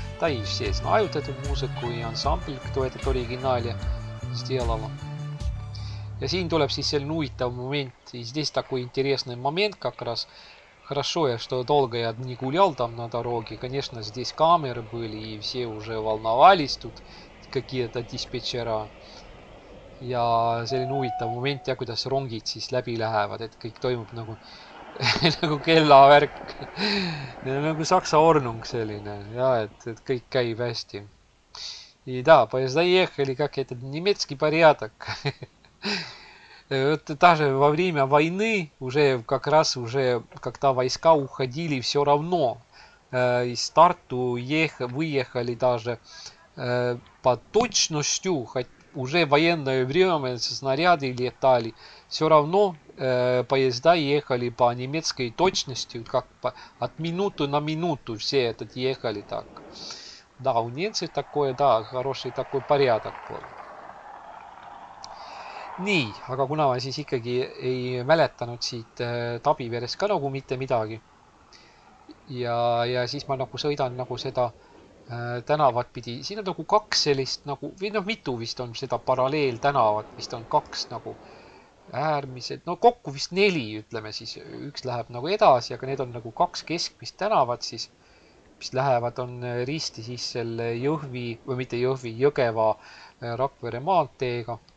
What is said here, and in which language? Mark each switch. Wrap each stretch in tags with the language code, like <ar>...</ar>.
<ru>Да и все знают эту музыку и ансамбль, кто это в оригинале сделал.</ru> <et>Ja siin tuleb siis selline huvitav moment, siis</et> <ru>teist takui interesne moment kak raz. Хорошо, я что долго я не гулял там на дороге. Конечно, здесь камеры были, и все уже волновались тут, какие-то диспетчера.</ru> <et>Ja selline huvitav moment, ja kuidas rongid siis läbi lähevad, et kõik toimub nagu, nagu kellavärk. Nagu Saksa ornung selline, ja et kõik käib hästi.</et> <ru>И да, поезда ехали, как этот немецкий порядок. Это даже во время войны, уже как раз, уже когда войска уходили, все равно из старту выехали даже по точностью, хоть уже военное время снаряды летали, все равно поезда ехали по немецкой точности, как от минуты на минуту все этот ехали так. Да, у немцев такое, да, хороший такой порядок был.</ru> <et>Nii, aga kuna ma siis ikkagi ei mäletanud siit Tabiverest ka nagu mitte midagi ja siis ma nagu sõidan nagu seda tänavat pidi. Siin on nagu kaks sellist nagu, või noh, mitu vist on seda paralleel tänavat, vist on kaks nagu äärmised, no kokku vist neli ütleme siis, üks läheb nagu edasi, aga need on nagu kaks keskmist tänavat siis, mis lähevad on risti siis selle Jõhvi, või mitte Jõhvi, Jõgeva Rakvere maanteega.</et>